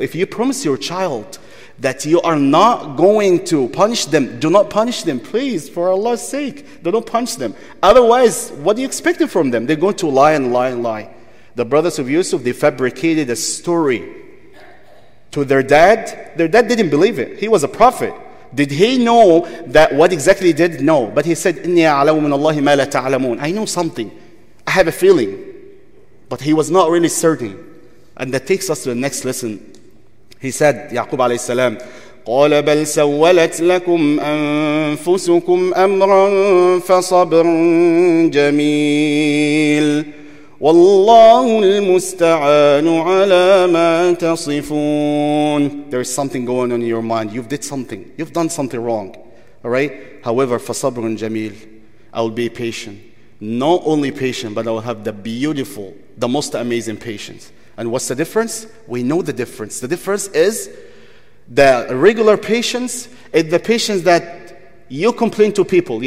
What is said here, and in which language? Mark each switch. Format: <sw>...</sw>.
<en>If you promise your child that you are not going to punish them, do not punish them, please, for Allah's sake. Do not punish them. Otherwise, what do you expect from them? They're going to lie and lie and lie. The brothers of Yusuf, they fabricated a story to their dad. Their dad didn't believe it. He was a prophet. Did he know that what exactly he did? No. But he said,</en> <ar>إِنِّي أَعْلَمُ مِنَ اللَّهِ مَا لَا تَعْلَمُونَ.</ar> <en>I know something. I have a feeling. But he was not really certain. And that takes us to the next lesson. He said,</en> <ar>Yaqub alayhi salam, قَالَ بَلْ سَوَّلَتْ لَكُمْ أَنفُسُكُمْ أَمْرًا فَصَبْرٌ جَمِيلٌ وَاللَّهُ الْمُسْتَعَانُ عَلَى مَا تَصِفُونَ.</ar> <en>There is something going on in your mind. You've did something. You've done something wrong. All right? However,</en> <ar>فَصَبْرٌ جَمِيلٌ.</ar> <en>I will be patient. Not only patient, but I will have the beautiful, the most amazing patience. And what's the difference? We know the difference. The difference is the regular patience is the patience that you complain to people.</en>